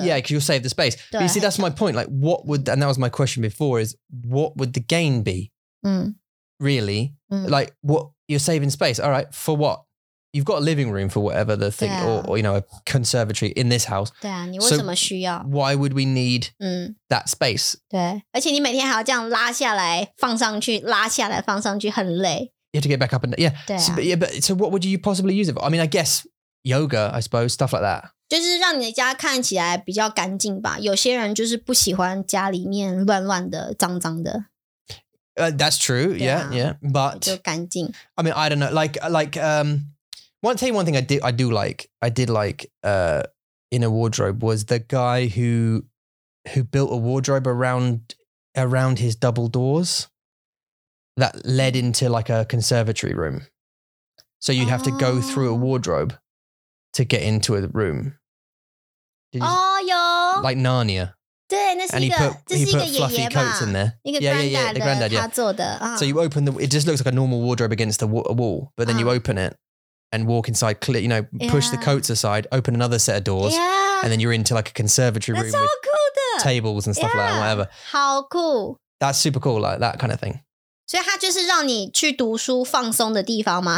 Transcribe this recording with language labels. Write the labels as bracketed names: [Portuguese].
[English] Yeah, because you'll save the space. 对, but you see, that's my point. Like what would, and that was my question before, is what would the gain be? Really? Like what, you're saving space. All right, for what? You've got a living room for whatever the thing, or you know, a conservatory in this house. [Chinese] 对啊,你为什么需要? [English] So why would we need that space? [Chinese] 对,而且你每天还要这样拉下来,放上去,拉下来,放上去,很累。 [English] You have to get back up and, yeah. [Chinese] 对啊。 [English] So, but, yeah, but, so what would you possibly use it for? I mean, I guess yoga, I suppose, stuff like that. [Chinese] 就是让你的家看起来比较干净吧。有些人就是不喜欢家里面乱乱的、脏脏的。 [English] That's true. Yeah, yeah. But [Chinese] 就干净。 [English] I mean, I don't know. I'll tell you one thing I did like in a wardrobe was the guy who built a wardrobe around his double doors that led into like a conservatory room. So you'd have to go through a wardrobe to get into a room. Like Narnia. [Chinese] 对，那是一个，这是一个爷爷吧。 [English] He put fluffy coats in there. Yeah, the granddad. [Chinese] 他做的。 [English] So you open the, it just looks like a normal wardrobe against the wall, but then you open it and walk inside, clear, you know, push the coats aside, open another set of doors, and then you're into like a conservatory room. That's so cool. Tables and stuff like that, whatever. [Chinese] 好 cool. [English] That's super cool, like that kind of thing. [Chinese] 所以他就是让你去读书放松的地方吗？